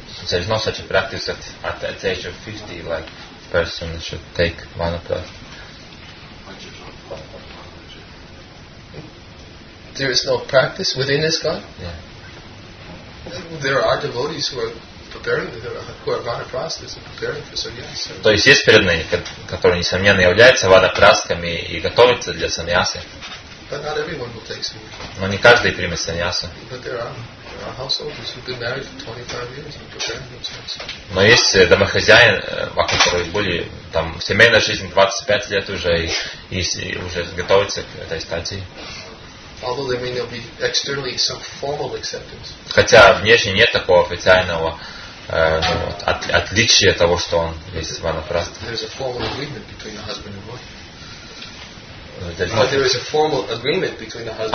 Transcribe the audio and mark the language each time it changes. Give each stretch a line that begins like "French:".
English: There is no such a practice that at the age of 50, like a person should take one of those. There is no practice within ISKCON? Yeah. There are devotees who are preparing, who are vanaprasthas and preparing for sannyasa.
Russian: То есть есть преданные, которые несомненно являются ванапрастхами и готовятся для саньясы.
English: But not everyone will take sannyasa.
Russian: Но не каждый примет саньясу.
English: But there are householders who've been married for 25 years and preparing themselves.
Russian: Но есть домохозяин, у которых были там семейная жизнь 25 лет уже и уже готовится к этой стадии.
English: Although there may not be externally some formal acceptance.
Russian: Хотя внешне нет такого официального ну, отличия того, что он есть ванапрастха.
English: There's a formal agreement between the husband and wife. There is a formal agreement between the husband.